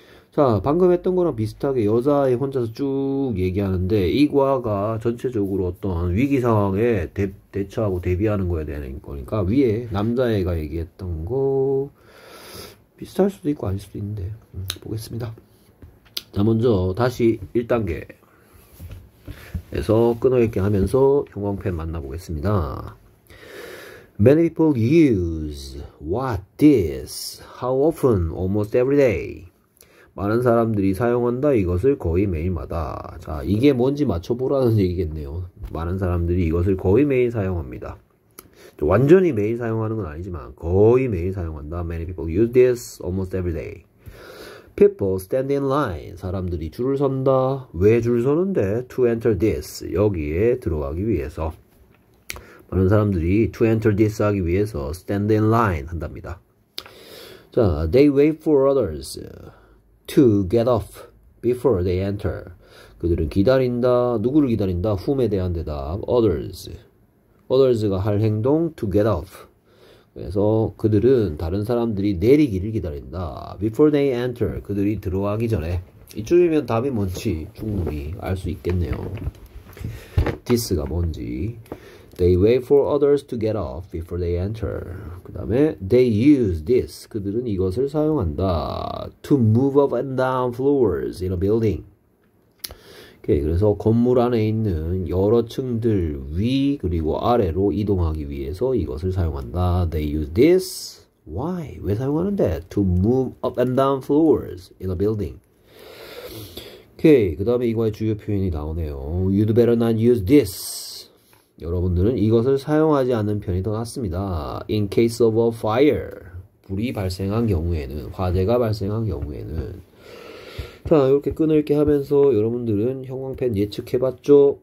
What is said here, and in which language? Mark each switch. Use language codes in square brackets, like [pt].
[ko] 자, 방금 했던 거랑 비슷하게 여자아이 혼자서 쭉 얘기하는데, 이 과가 전체적으로 어떤 위기 상황에 대처하고 대비하는 거에 대한 거니까, 위에 남자애가 얘기했던 거, 비슷할 수도 있고 아닐 수도 있는데, 보겠습니다. 자, 먼저 다시 1단계에서 끊어읽기 하면서 형광펜 만나보겠습니다. [en] Many people use what this, how often, almost every day. [ko] 많은 사람들이 사용한다, 이것을 거의 매일마다. 자, 이게 뭔지 맞춰보라는 얘기겠네요. 많은 사람들이 이것을 거의 매일 사용합니다. 완전히 매일 사용하는 건 아니지만, 거의 매일 사용한다. [en] Many people use this almost every day. People stand in line. [ko] 사람들이 줄을 선다. 왜줄 서는데? [en] To enter this. [ko] 여기에 들어가기 위해서. 많은 사람들이 [en] to enter this [ko] 하기 위해서 [en] stand in line 한답니다. 자, they wait for others. To get off before they enter. [ko] 그들은 기다린다. 누구를 기다린다? Whom에 대한 대답. Others. [en] Others가 [ko] 할 행동. [en] To get off. [ko] 그래서 그들은 다른 사람들이 내리기를 기다린다. [en] Before they enter. [ko] 그들이 들어가기 전에. 이쯤이면 답이 뭔지 충분히 알수 있겠네요. This가 뭔지. [en] They wait for others to get off before they enter. [ko] 그 다음에 [en] they use this. [ko] 그들은 이것을 사용한다. [en] To move up and down floors in a building. [ko] 오케이, 그래서 건물 안에 있는 여러 층들 위 그리고 아래로 이동하기 위해서 이것을 사용한다. [en] They use this. Why? [ko] 왜 사용하는데? [en] To move up and down floors in a building. [ko] 오케이, 그 다음에 이거의 주요 표현이 나오네요. [en] You'd better not use this. [ko] 여러분들은 이것을 사용하지 않는 편이 더 낫습니다. [en] In case of a fire, [ko] 불이 발생한 경우에는, 화재가 발생한 경우에는. 자, 이렇게 끊을게 하면서 여러분들은 형광펜 예측해봤죠?